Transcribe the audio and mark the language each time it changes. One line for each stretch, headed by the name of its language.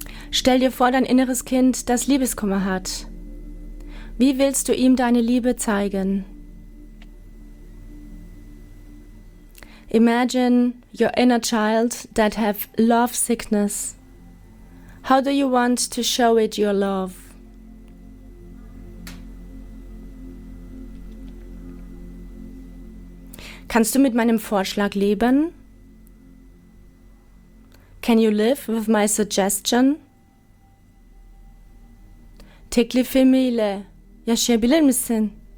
German: Stell dir vor, dein inneres Kind, das Liebeskummer hat. Wie willst du ihm deine Liebe zeigen?
English: Imagine your inner child that have love sickness. How do you want to show it your love?
German: Kannst du mit meinem Vorschlag leben?
English: Can you live with my suggestion?
Turkish: Teklifimle yaşayabilir misin?